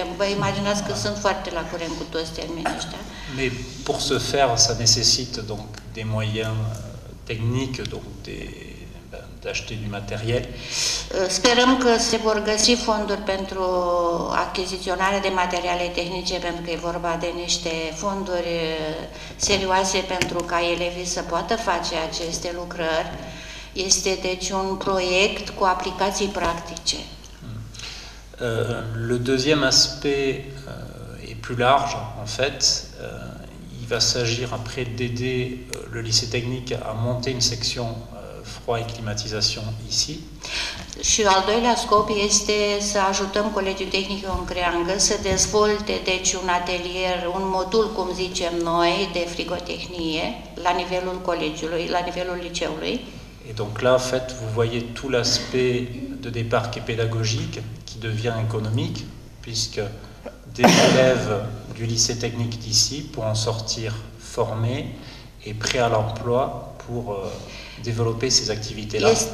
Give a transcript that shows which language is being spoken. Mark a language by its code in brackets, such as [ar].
[ro] Vă imaginați că sunt foarte la curent cu toți termenii ăștia. [fr] Mais pour ce faire, ça nécessite donc des moyens techniques, donc d'acheter du matériel. [ro] Sperăm că se vor găsi fonduri pentru achiziționarea de materiale tehnice, pentru că e vorba de niște fonduri serioase pentru ca elevii să poată face aceste lucrări. Este deci un proiect cu aplicații practice. [fr] Le deuxième aspect est plus large, en fait. Il va s'agir après d'aider le lycée technique à monter une section froid et climatisation ici. [ro] Și al doilea scop este să ajutăm Colegiul Tehnic Ion Creangă să dezvolte deci un atelier, un modul, cum zicem noi, de frigotehnie la nivelul colegiului, la nivelul liceului. [fr] Et donc là, en fait, vous voyez tout l'aspect de départ qui est pédagogique, qui devient économique, puisque des élèves du lycée technique d'ici pour en sortir formés et prêts à l'emploi pour développer ces activités-là.